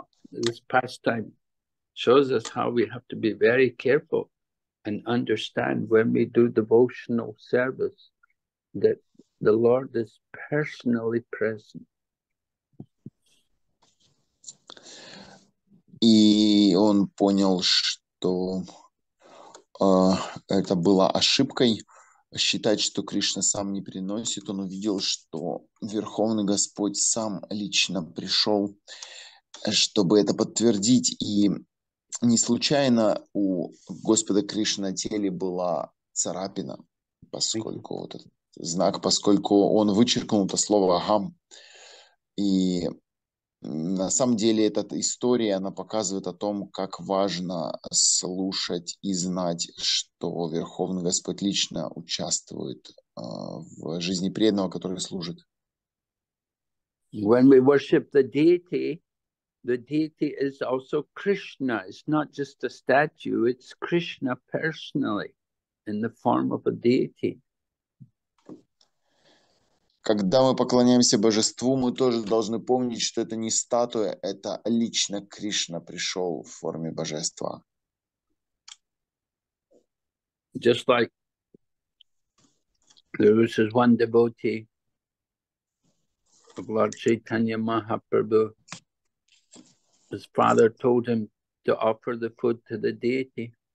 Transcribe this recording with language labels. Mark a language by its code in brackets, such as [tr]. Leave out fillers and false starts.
[en] This pastime shows us how we have to be very careful and understand when we do devotional service that the Lord is personally present. [ru] И он понял, что это было ошибкой считать, что Кришна сам не приносит. Он увидел, что Верховный Господь сам лично пришел, чтобы это подтвердить. И не случайно у Господа Кришны на теле была царапина, поскольку вот этот знак, поскольку он вычеркнул это слово «агам». И на самом деле эта история, она показывает о том, как важно слушать и знать, что Верховный Господь лично участвует в жизни преданного, который служит. [en] When we worship the deity, the deity is also Krishna. It's not just a statue, it's Krishna personally in the form of a deity. [ru] Когда мы поклоняемся божеству, мы тоже должны помнить, что это не статуя, это лично Кришна пришел в форме божества. [en] Just like there was one devotee of Lord Chaitanya Mahaprabhu. His father told him to offer the food to the deity.